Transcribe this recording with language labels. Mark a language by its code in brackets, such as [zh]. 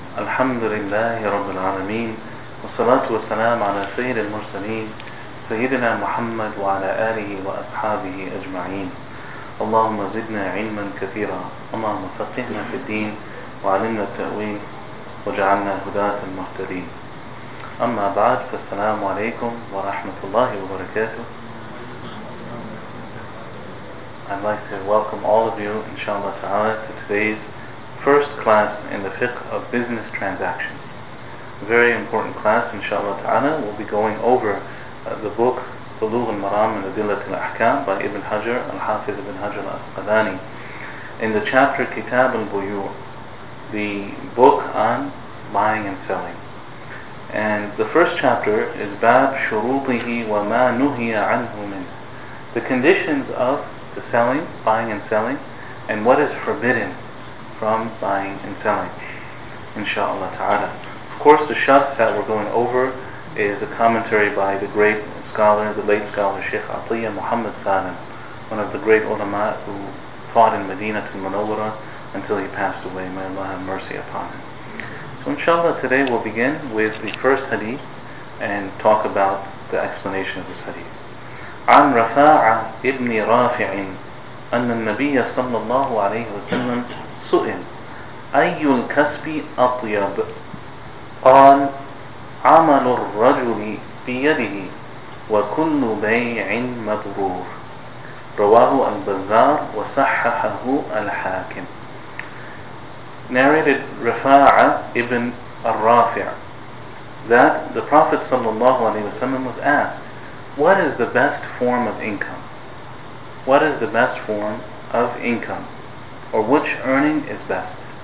[ar] الحمد لله رب العالمين، والصلاة والسلام على سيد المرسلين سيدنا محمد وعلى آله وأصحابه أجمعين. اللهم زدنا علما كثيرا، اللهم فقهنا في الدين وعلمنا التأويل وجعلنا هداة المهتدين. أما بعد، فالسلام عليكم ورحمة الله وبركاته. [en] I'd like to welcome all of you, inshallah ta'ala, to today's first class in the fiqh of business transactions. A very important class, inshallah ta'ala. We'll be going over the book Bulugh al-Maram and Adillat al-Ahkam by Ibn Hajar, Al-Hafiz Ibn Hajar al-Asqalani. In the chapter Kitab al-Buyu', the book on buying and selling. And the first chapter is Bab Shurutihi wa ma nuhiya anhu minh, the conditions of the selling, buying and selling, and what is forbidden from buying and selling, inshallah ta'ala. Of course, the shakhs that we're going over is a commentary by the great scholar, the late scholar, Sheikh Atiyah Muhammad Salim, one of the great ulama who fought in Medina to Munawwara until he passed away. May Allah have mercy upon him. So inshallah, today we'll begin with the first hadith and talk about the explanation of this hadith. [ar] عن رفاعة ابن رافع أن النبي صلى الله عليه وسلم سئل أي الكسب أطيب؟ قال عمل الرجل بيده وكل بيع مبرور. رواه البزار وصححه الحاكم. [en] Narrated رفاعة ابن الرافع that the Prophet [ar] صلى الله عليه وسلم [en] was asked, what is the best form of income? What is the best form of income? Or which earning is best?